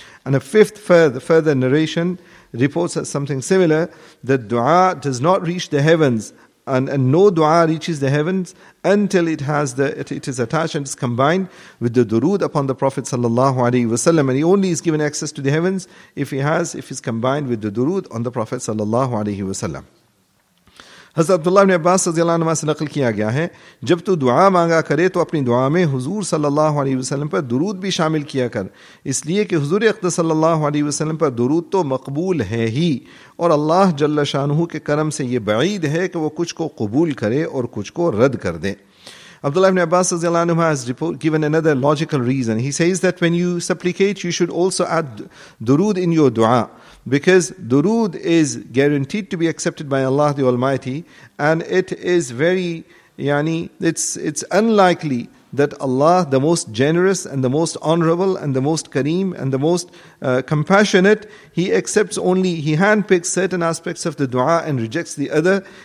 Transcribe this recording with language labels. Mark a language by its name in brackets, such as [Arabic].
[English] And a fifth further narration reports something similar, that dua does not reach the heavens and no dua reaches the heavens until it has it is attached and is combined with the durood upon the Prophet sallallahu alaihi wasallam, and he only is given access to the heavens if it's combined with the durood on the Prophet sallallahu alaihi wasallam. [Urdu] حضرت عبداللہ بن عباس رضی اللہ عنہ سے نقل کیا گیا ہے، جب تو دعا مانگا کرے تو اپنی دعا میں حضور صلی اللہ علیہ وسلم پر درود بھی شامل کیا کر، اس لیے کہ حضور اقدس صلی اللہ علیہ وسلم پر درود تو مقبول ہے ہی، اور اللہ جل شانہ کے کرم سے یہ بعید ہے کہ وہ کچھ کو قبول کرے اور کچھ کو رد کر دے۔ [English] Abdullah ibn Abbas has given another logical reason. He says that when you supplicate, you should also add durood in your dua, because durood is guaranteed to be accepted by Allah the Almighty, and it is very, it's unlikely that Allah, the most generous and the most honorable and the most kareem and the most compassionate, he handpicks certain aspects of the dua and rejects the other.